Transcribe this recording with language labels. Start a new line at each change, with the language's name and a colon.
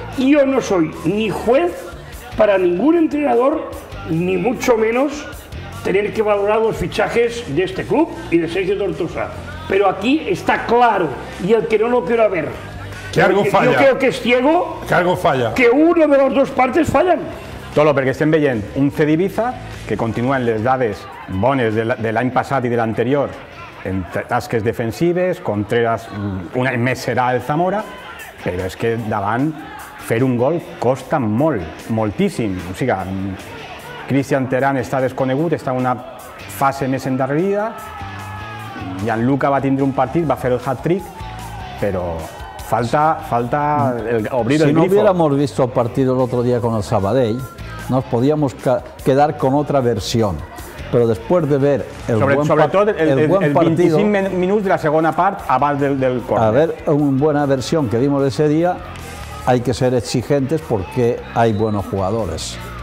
Spanish: Yo no soy ni juez para ningún entrenador, ni mucho menos tener que valorar los fichajes de este club y de Sergio Tortosa. Pero aquí está claro, y el que no lo quiera ver, que algo falla. Yo creo que es ciego, que algo falla, que uno de las dos partes fallan.
Catalan: Tolo, perquè estem veient un CD Ibiza que continua en les dades bones de l'any passat i de l'anterior en tasques defensives, Contreras, una més serà el Zamora, però és que davant fer un gol costa molt, moltíssim. O sigui, Cristian Terán està desconegut, està en una fase més endarrerida, Gianluca va tindre un partit, va fer el hat-trick, però falta el obrir si
Spanish: el grifo. Si no hubiéramos visto el partido el otro día con el Sabadell, nos podíamos quedar con otra versión. Pero después de ver el partido, 25 minutos de la segunda parte,
Catalan: abans del córner.
Spanish: A ver, una buena versión que vimos ese día, hay que ser exigentes porque hay buenos jugadores.